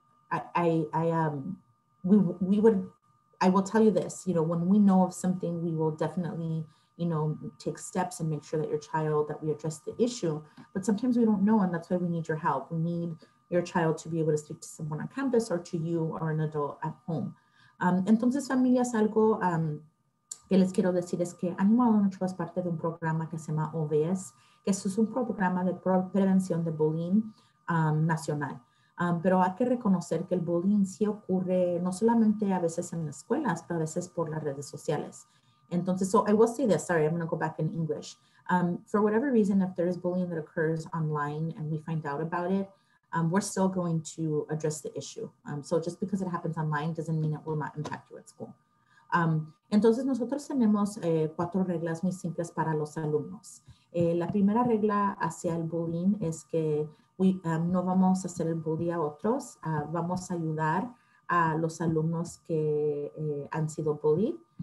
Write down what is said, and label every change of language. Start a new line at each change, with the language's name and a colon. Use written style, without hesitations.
English: I will tell you this, you know, when we know of something, we will definitely, you know, take steps and make sure that your child, that we address the issue. But sometimes we don't know, and that's why we need your help. We need your child to be able to speak to someone on campus or to you or an adult at home.
Spanish: Entonces, familias, algo que les quiero decir es que Ánimo a la Noche es parte de un programa que se llama OBS, que es un programa de prevención de bullying nacional. Pero hay que reconocer que el bullying sí ocurre no solamente a veces en las escuelas, pero a veces por las redes sociales.
English: Entonces, so I will say this, sorry, I'm going to go back in English. For whatever reason, if there is bullying that occurs online and we find out about it, we're still going to address the issue. So just because it happens online doesn't mean it will not impact you at school.
Spanish: Entonces, nosotros tenemos cuatro reglas muy simples para los alumnos. La primera regla hacia el bullying es que no vamos a hacer el bullying a otros. Vamos a ayudar a los alumnos que han sido bullied.